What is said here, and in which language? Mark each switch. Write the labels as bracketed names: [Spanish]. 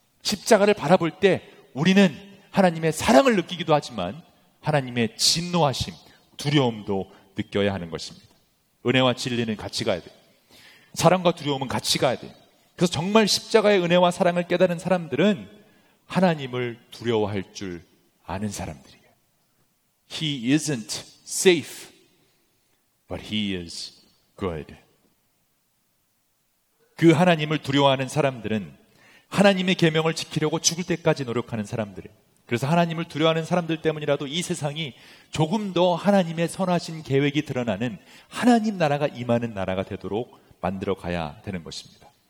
[Korean] 십자가를 바라볼 때 우리는 하나님의 사랑을 느끼기도 하지만 하나님의 진노하심, 두려움도 느껴야 하는 것입니다. 은혜와 진리는 같이 가야 돼요. 사랑과 두려움은 같이 가야 돼요. 그래서 정말 십자가의 은혜와 사랑을 깨달은 사람들은 하나님을 두려워할 줄 아는 사람들이에요. [English] He isn't safe, but he is good. [Korean] 그 하나님을 두려워하는 사람들은 하나님의 계명을 지키려고 죽을 때까지 노력하는 사람들이에요. 그래서 하나님을 두려워하는 사람들 때문이라도 이 세상이 조금 더 하나님의 선하신 계획이 드러나는 하나님 나라가 임하는 나라가 되도록 만들어 가야 되는 것입니다.